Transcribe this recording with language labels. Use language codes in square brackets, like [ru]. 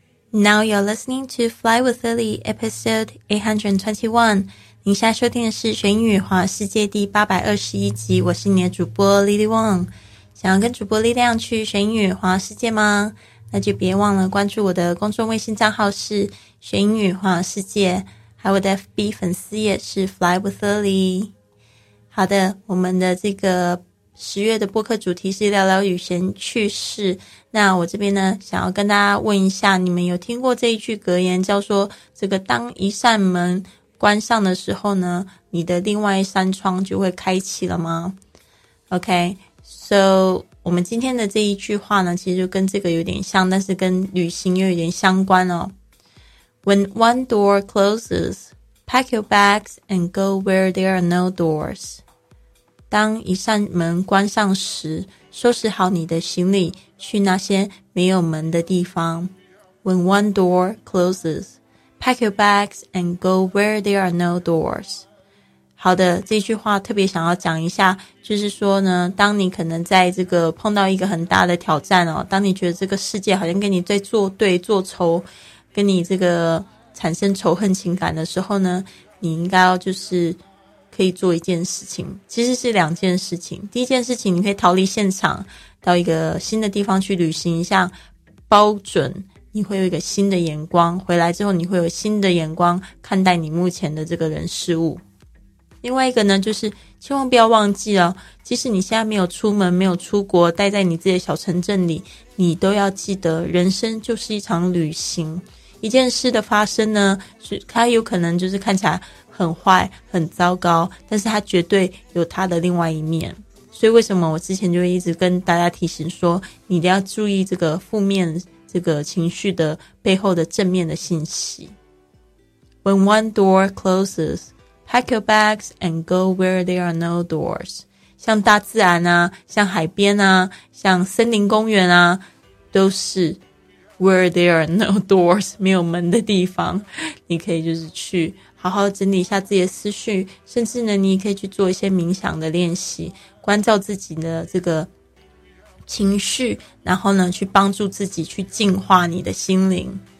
[en] Now you're listening to Fly with Lily, episode 821. [zh] 您现在收听的是学英语环游世界第821集，我是你的主播 Lily Wong。想要跟主播力量去学英语环游世界吗？那就别忘了关注我的公众微信账号是学英语环游世界，还有我的 FB 粉丝页是 Fly with Lily。好的，我们的这个十月的播客主题是聊聊语言趣事。那我这边呢想要跟大家问一下，你们有听过这一句格言叫做这个当一扇门关上的时候呢，你的另外一扇窗就会开启了吗？ [en] OK, so [zh] 我们今天的这一句话呢其实就跟这个有点像，但是跟旅行又有点相关哦。 [en] When one door closes, pack your bags and go where there are no doors. [zh] 当一扇门关上时，收拾好你的行李，去那些没有门的地方。 [en] When one door closes, pack your bags and go where there are no doors. [zh] 好的，这句话特别想要讲一下，就是说呢，当你可能在这个碰到一个很大的挑战哦，当你觉得这个世界好像跟你在作对作仇，跟你这个产生仇恨情感的时候呢，你应该要就是可以做一件事情，其实是两件事情。第一件事情，你可以逃离现场，到一个新的地方去旅行一下，包准你会有一个新的眼光，回来之后你会有新的眼光看待你目前的这个人事物。另外一个呢，就是千万不要忘记了，即使你现在没有出门，没有出国，待在你自己的小城镇里，你都要记得人生就是一场旅行。一件事的发生呢，它有可能就是看起来很坏很糟糕，但是它绝对有它的另外一面。所以为什么我之前就一直跟大家提醒说，你一定要注意这个负面这个情绪的背后的正面的信息。 [en] When one door closes, pack your bags and go where there are no doors. [zh] 像大自然啊，像海边啊，像森林公园啊，都是 [en] where there are no doors, [zh] 没有门的地方，你可以就是去好好整理一下自己的思绪，甚至呢你也可以去做一些冥想的练习，关照自己的这个情绪，然后呢去帮助自己去净化你的心灵。